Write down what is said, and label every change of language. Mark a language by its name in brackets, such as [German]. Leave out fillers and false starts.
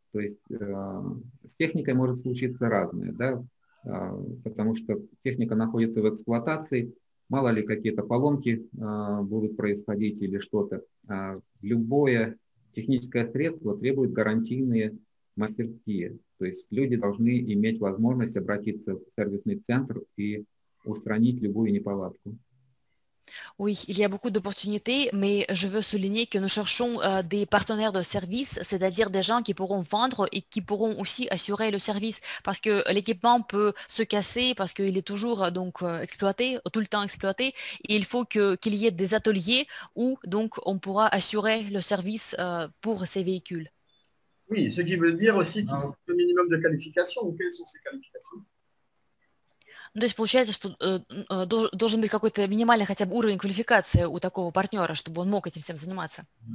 [Russian] То есть с техникой может случиться разное, да, потому что техника находится в эксплуатации, мало ли какие-то поломки будут происходить или что-то. Любое техническое средство требует гарантийные мастерские. То есть люди должны иметь возможность обратиться в сервисный центр и устранить любую неполадку. [French] Oui, il y a beaucoup d'opportunités, mais je veux souligner que nous cherchons des partenaires de service, c'est-à-dire des gens qui pourront vendre et qui pourront aussi assurer le service, parce que l'équipement peut se casser, parce qu'il est toujours donc exploité, tout le temps exploité, et il faut qu'il y ait des ateliers où donc on pourra assurer le service pour ces véhicules. Oui, ce qui veut dire aussi qu'il y a un minimum de qualifications, ou quelles sont ces qualifications? [Russian] Ну, то есть получается, что должен быть какой-то минимальный хотя бы уровень квалификации у такого партнера, чтобы он мог этим всем заниматься.